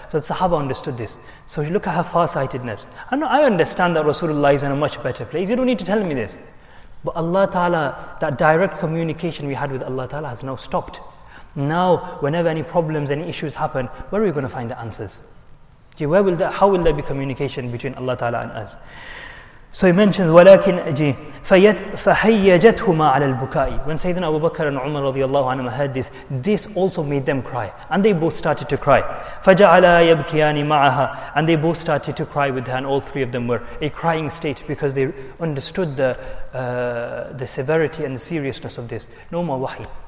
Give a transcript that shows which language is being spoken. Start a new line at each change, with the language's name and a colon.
English: So the Sahaba understood this. So look at her farsightedness. I understand that Rasulullah is in a much better place. You don't need to tell me this. But Allah Ta'ala, that direct communication we had with Allah Ta'ala has now stopped. Now, whenever any problems, any issues happen, where are we going to find the answers? Where will that, how will there be communication between Allah Ta'ala and us? So he mentions,
Arabic: وَلَكِنْ أَجِي فَهَيَّجَتْهُمَا عَلَى الْبُكَاءِ.
English: When Sayyidina Abu Bakr and Umar radiallahu anhu heard this, this also made them cry. And they both started to cry.
Arabic: فَجَعَلَا يَبْكِيَانِ مَعَهَا.
English: And they both started to cry with her, and all three of them were a crying state because they understood the severity and the seriousness of this. No more wahi.